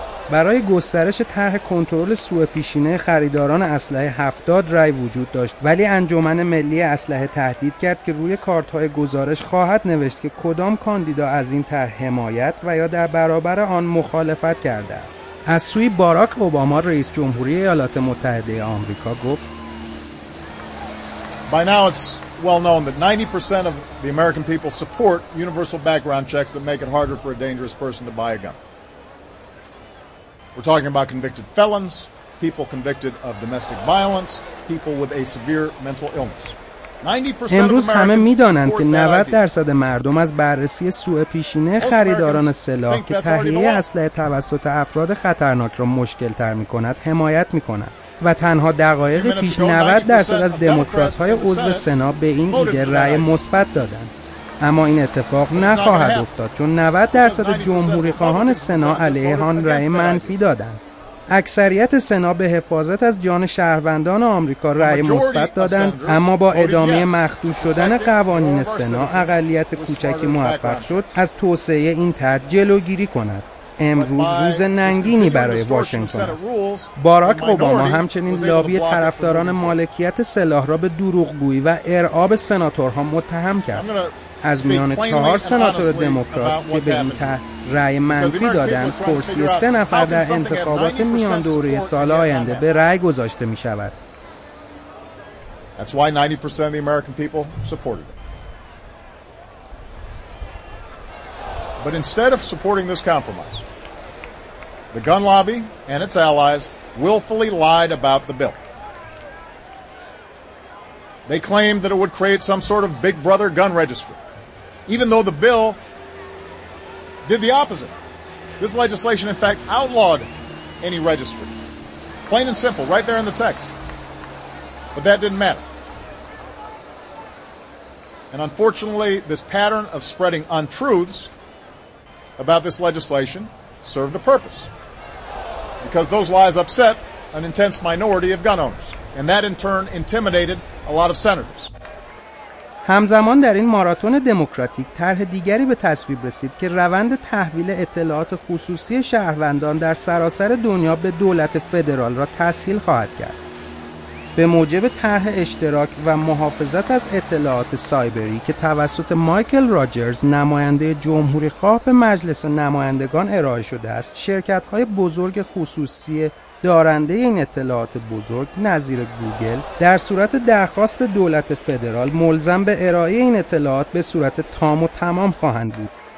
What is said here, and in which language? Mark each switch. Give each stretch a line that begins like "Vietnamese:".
Persian: برای گسترش طرح کنترل سوء پیشینه خریداران اسلحه 70 رای وجود داشت، ولی انجمن ملی اسلحه تهدید کرد که روی کارت‌های گزارش خواهد نوشت که کدام کاندیدا از این طرح حمایت و یا در برابر آن مخالفت کرده است. از سوی باراک اوباما رئیس جمهوری ایالات متحده آمریکا گفت
English: By now it's well known that 90% of the American people support universal background checks that make it harder for a dangerous person to buy a gun. We're talking about convicted felons, people convicted of domestic violence, people with a severe mental illness. 90%
Persian: امروز همه می‌دانند که 90% مردم از بررسی سوء پیشینه خریداران سلاح که تهیه اسلحه توسط افراد خطرناک را مشکل‌تر می‌کند حمایت می‌کند، و تنها دقایق پیش 90% از دموکرات‌های عضو سنا به این ایده رأی مثبت دادند. اما این اتفاق نخواهد افتاد، چون 90% جمهوری خواهان سنا علیه آن رأی منفی دادند. اکثریت سنا به حفاظت از جان شهروندان آمریکا رأی مثبت دادند، اما با ادامه مخدوش شدن قوانین سنا اقلیت کوچکی موفق شد از توسعه این طرح جلوگیری کند. امروز روز ننگینی برای واشنگتن است. باراک اوباما همچنین لابی طرفداران مالکیت سلاح را به دروغگویی و ارعاب سناتورها متهم کرد. از میان 4 سناتور دموکرات که به این طرح رأی منفی دادند، کرسی 3 نفر در انتخابات میان دوره سال آینده به رأی گذاشته می شود.
English: That's why 90% of the American people supported it. But instead of supporting this compromise, the gun lobby and its allies willfully lied about the bill. They claimed that it would create some sort of Big Brother gun registry, even though the bill did the opposite. This legislation, in fact, outlawed any registry. Plain and simple, right there in the text. But that didn't matter. And unfortunately, this pattern of spreading untruths about this legislation served a purpose, because those lies upset an intense minority of gun owners, and that in turn intimidated a lot of senators.
Persian: همزمان در این ماراتون دموکراتیک طرح دیگری به تصویب رسید که روند تحویل اطلاعات خصوصی شهروندان در سراسر دنیا به دولت فدرال را تسهیل خواهد کرد. به موجب طرح اشتراک و محافظت از اطلاعات سایبری که توسط مایکل راجرز نماینده جمهوری خواه به مجلس نمایندگان ارائه شده است، شرکت‌های بزرگ خصوصی دارنده این اطلاعات بزرگ نظیر گوگل در صورت درخواست دولت فدرال ملزم به ارائه این اطلاعات به صورت تام و تمام خواهند بود.